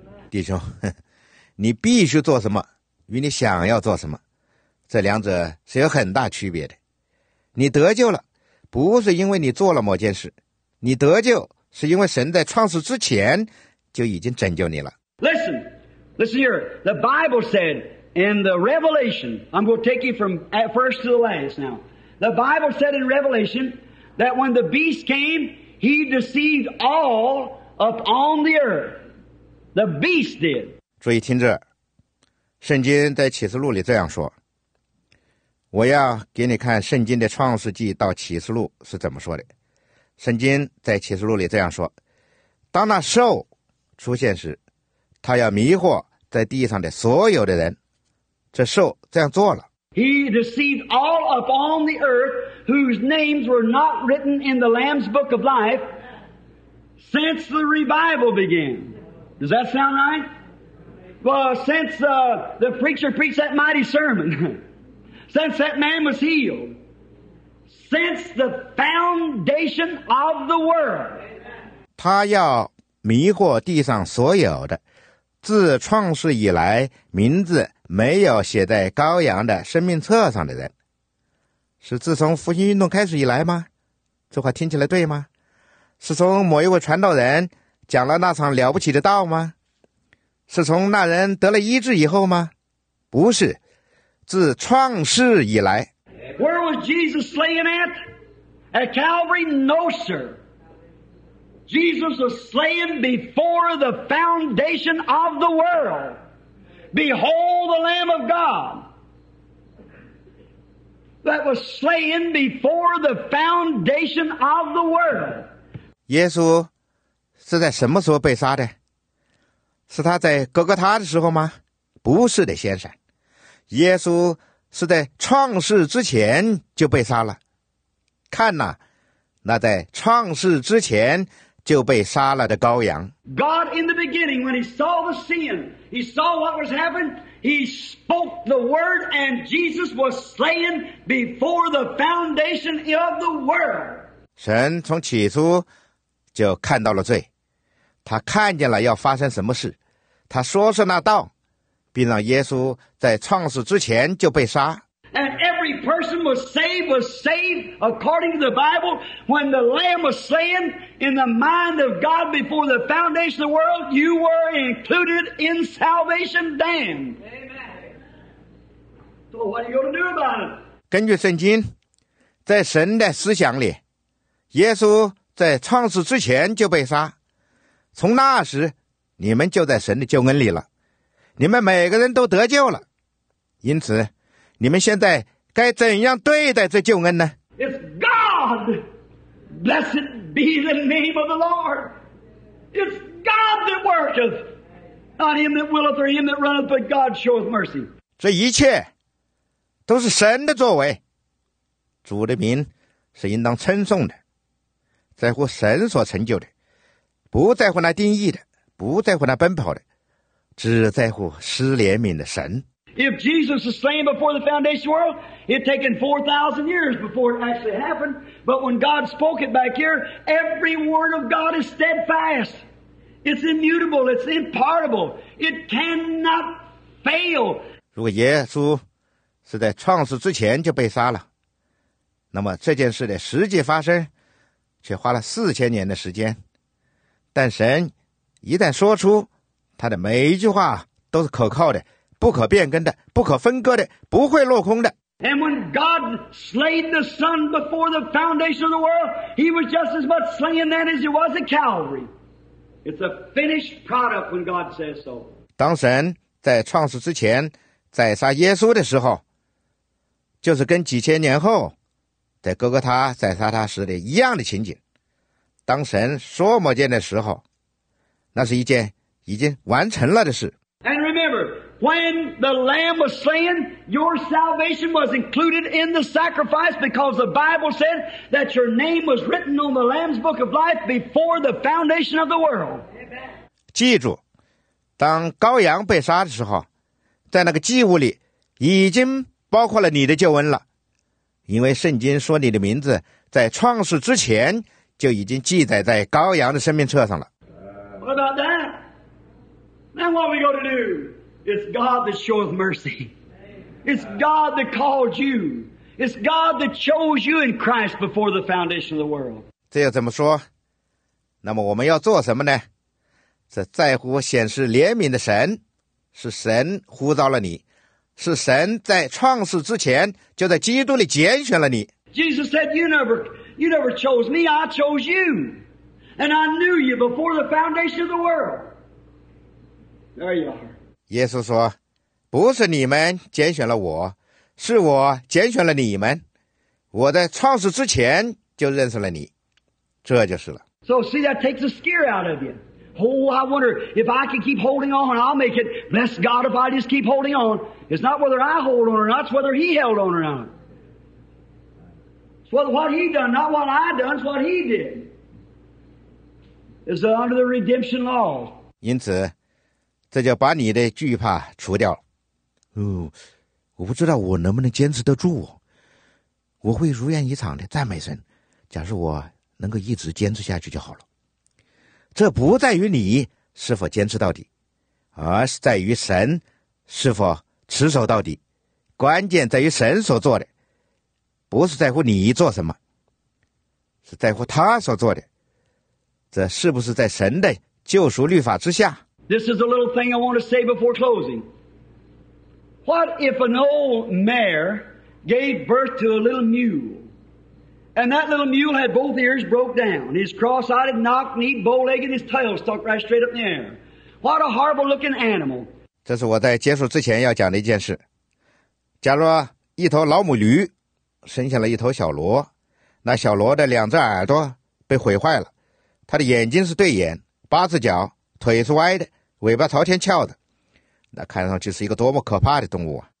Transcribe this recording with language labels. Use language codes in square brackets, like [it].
[zh] 弟兄，你必须做什么，与你想要做什么，这两者是有很大区别的。你得救了，不是因为你做了某件事，你得救。是因为神在创始之前就已经拯救你了。 [en] Listen, Listen here. The Bible said in the Revelation, I'm going to take you from first to the last now. The Bible said in Revelation that when the beast came, he deceived all upon the earth. The beast did. [zh] 注意听着，圣经在启示录里这样说。我要给你看圣经的创世纪到启示录是怎么说的。圣经在启示录里这样说，当那兽出现时，他要迷惑在地上的所有的人。这兽这样做了。 [en] He deceived all upon the earth whose names were not written in the Lamb's book of life since the revival began. Does that sound right? Well, since the preacher preached that mighty sermon, since that man was healed, since the foundation of the world. [zh] 他要迷惑地上所有的，自创世以来，名字没有写在羔羊的生命册上的人，是自从复兴运动开始以来吗？这话听起来对吗？是从某一位传道人讲了那场了不起的道吗？是从那人得了医治以后吗？不是，自创世以来。 [en] Where was Jesus slain at? At Calvary? No, sir. Jesus was slain before the foundation of the world. Behold the Lamb of God that was slain before the foundation of the world. [zh] 耶稣是在什么时候被杀的？是他在哥哥他的时候吗？不是的，先生。耶稣是在创世之前就被杀了。看哪，那在创世之前就被杀了的羔羊。 [en] God in the beginning, when he saw the sin, he saw what was happening, he spoke the word, and Jesus was slain before the foundation of the world. [zh] 神从起初就看到了罪，他看见了要发生什么事，他说是那道，并让耶稣在创世之前就被杀。 [en] And every person was saved according to the Bible when the Lamb was slain in the mind of God before the foundation of the world. You were included in salvation, damn. Amen. So what are you going to do about it? [zh] 根据圣经，在神的思想里，耶稣在创世之前就被杀。从那时，你们就在神的救恩里了。你们每个人都得救了。因此。你们现在该怎样对待这救恩呢？ [en] It's God! Blessed be the name of the Lord! It's God that worketh! Not him that willeth or him that runneth, but God showeth mercy! [zh] 这一切都是神的作为，主的名是应当称颂的，在乎神所成就的，不在乎那定义的，不在乎那奔跑的，只在乎施怜悯的神。 [en] If Jesus was slain before the foundation of the world, it had taken 4,000 years before it actually happened. But when God spoke it back here, every word of God is steadfast. It's immutable. It's impartable. It cannot fail. [zh] 如果耶稣是在创世之前就被杀了，那么这件事的实际发生却花了4000年的时间。但神一旦说出，他的每一句话都是可靠的。不可变更的，不可分割的，不会落空的。 [en] And when God slayed the Son before the foundation of the world, He was just as much slain then as He was at Calvary. It's a finished product when God says so. [zh] 当神在创世之前宰杀耶稣的时候，就是跟几千年后在哥哥他宰杀他时的一样的情景。当神说某件的时候，那是一件已经完成了的事。 [en] And remember. When the Lamb was slain, your salvation was included in the sacrifice because the Bible said that your name was written on the Lamb's book of life before the foundation of the world. [zh] 记住，当羔羊被杀的时候，在那个祭物里已经包括了你的救恩了，因为圣经说你的名字在创世之前就已经记载在羔羊的生命册上了。 [en] What about that? Then what are we going to do? It's God that showeth mercy. It's God that called you. It's God that chose you in Christ before the foundation of the world. [zh] 这又怎么说？那么我们要做什么呢？这在乎显示怜悯的神，是神呼召了你，是神在创世之前就在基督里拣选了你。 [en] Jesus said, you never chose me, I chose you. And I knew you before the foundation of the world. There you are. [zh] 耶稣说，不是你们拣选了我，是我拣选了你们。我在创世之前就认识了你。这就是了。 [en] So see, that takes the scare out of you. Oh, I wonder if I can keep holding on, I'll make it. Bless God if I just keep holding on. It's not whether I hold on or not, it's whether he held on or not. Well, what he done, not what I done, it's what he did. It's under the redemption law. [zh] 因此，这就把你的惧怕除掉了。我不知道我能不能坚持得住。我会如愿以偿的赞美神。假如我能够一直坚持下去就好了。这不在于你是否坚持到底，而是在于神是否持守到底。关键在于神所做的。不是在乎你做什么，是在乎他所做的。这是不是在神的救赎律法之下？ [en] This is a little thing I want to say before closing. What if an old mare gave birth to a little mule, and that little mule had both ears broke down, his cross-eyed, knock-kneed, bow-legged, and his tail stuck right straight up in the air? What a horrible-looking animal! [zh] 这是我在结束之前要讲的一件事。假如一头老母驴生下了一头小骡，那小骡的两只耳朵被毁坏了，它的眼睛是对眼，八只脚，腿是歪的，尾巴朝天翘的，那看上去是一个多么可怕的动物啊！